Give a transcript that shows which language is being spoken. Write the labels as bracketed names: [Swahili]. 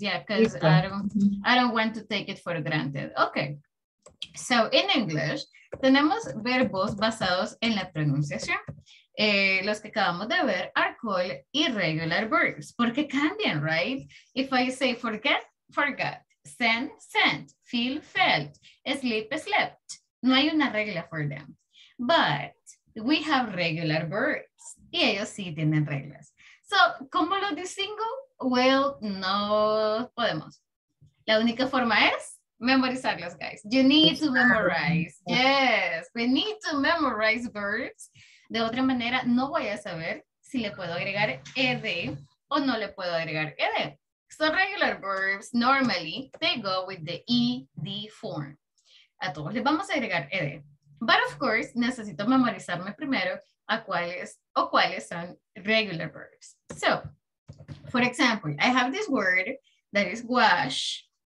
[English] Yeah, because I don't want to take it for granted. Okay. So, in English, [Spanish] tenemos verbos basados en la pronunciación. Los que acabamos de ver [English] are called irregular verbs, [Spanish] porque cambian, right? [English] If I say forget, forgot, send, sent, feel, felt, sleep, slept, [Spanish] no hay una regla [English] for them. But we have regular verbs, [Spanish] y ellos sí tienen reglas. So, ¿cómo lo distingo? Well, no podemos. La única forma es memorizarlos, guys. [English] You need to memorize. Yes, we need to memorize verbs. [Spanish] De otra manera, no voy a saber si le puedo agregar ed o no le puedo agregar ed. [English] So regular verbs, normally, they go with the ed form. [Spanish] A todos les vamos a agregar ed. [English] But of course, [Spanish] necesito memorizarme primero a cuáles o cuáles son regular verbs. [English] So, for example, I have this word that is wash.